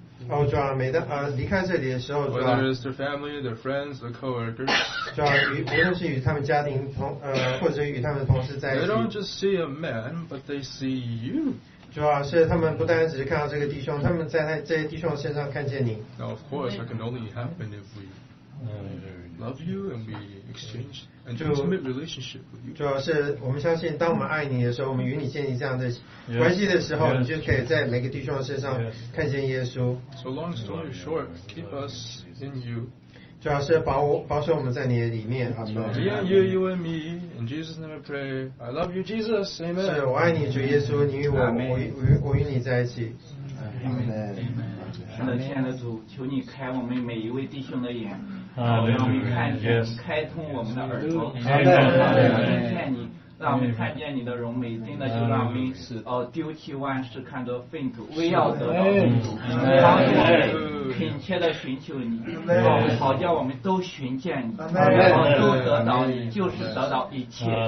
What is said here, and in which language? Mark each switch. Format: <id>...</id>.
<zh>哦，主啊，每当离开这里的时候，主啊</zh> <en>，whether it's their family, their friends, their coworkers，</en> <zh>主啊，无论是与他们家庭同或者与他们同事在一起</zh> <en>，they don't just see a man, but they see you。</en> <zh>主啊，是他们不单只是看到这个弟兄，他们在这些弟兄身上看见你。</zh> <en>Now of course, that can only happen if we love you and we exchange an intimate relationship with you。</en> <zh>主要是我们相信，当我们爱你的时候，我们与你建立这样的关系的时候，你就可以在每个弟兄身上看见耶稣。</zh> <en>So long story short, keep us in you。</en> <zh>主要是保守我们在你的里面，好吗 ？</zh> <en>Yeah, you and me, in Jesus' name, I pray. I love you, Jesus. Amen。</en> <zh>是，我爱你，主耶稣，你与我，我与你在一起。</zh> <en>Amen。</en> <zh>是的，亲爱的主，求你开我们每一位弟兄的眼。让我们看见，开通我们的耳朵，让我们听见你，让我们看见你的荣美，真的就让我们丢弃万事，看作粪土，为要得到基督，让我们恳切的寻求你，好叫我们都寻见你，都得到你，就是得到一切。</zh>